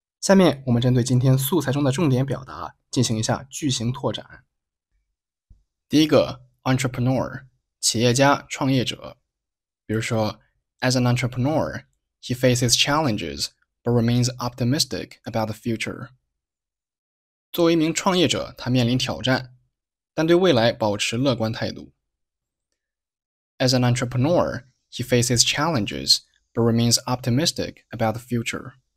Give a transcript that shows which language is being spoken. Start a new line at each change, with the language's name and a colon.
Chinese: 下面我们针对今天素材中的重点表达进行一下句型拓展。第一个 ,entrepreneur, 企业家创业者。比如说
English: ,as an entrepreneur, he faces challenges, but remains optimistic about the future.
Chinese: 作为一名创业者他面临挑战但对未来保持乐观态度。
English: As an entrepreneur, he faces challenges, but remains optimistic about the future.